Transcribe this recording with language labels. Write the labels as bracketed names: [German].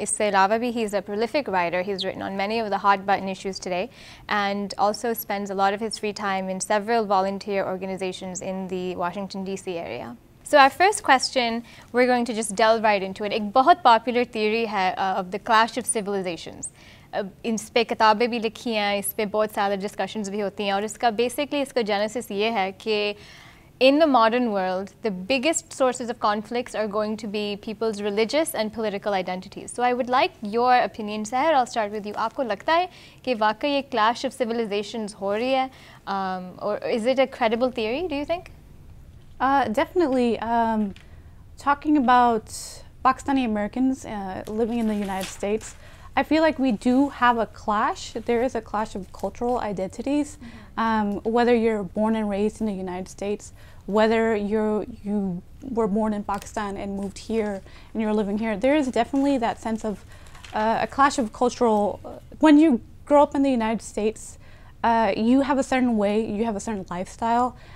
[Hindi] Isse ilawa bhi, [English] he's a prolific writer. He's written on many of the hot-button issues today and also spends a lot of his free time in several volunteer organizations in the Washington, D.C. area. So our first question, we're going to just delve right into it. [Hindi] Ek bahut popular theory hai [English] of the clash of civilizations. [Hindi] इस पर किताबें भी लिखी हैं इस पर बहुत सारे डिस्कशंस भी होती हैं और इसका बेसिकली इसका जेनेसिस ये है कि [English] in the modern world the biggest sources of conflicts are going to be peoples religious and political identities so I would like your opinion [Hindi] सहर [English] I start with you [Hindi] आपको लगता है कि वाकई ये क्लैश ऑफ सिविलाइजेशंस हो रही है और [English] is it a credible theory do you think [Hindi] definitely talking about Pakistani Americans living in the United states [English] I feel like we do have a clash. There is a clash of cultural identities. Mm-hmm. Whether you're born and raised in the United States, whether you were born in Pakistan and moved here and you're living here, there is definitely that sense of a clash of cultural. When you grow up in the United States, you have a certain way, you have a certain lifestyle.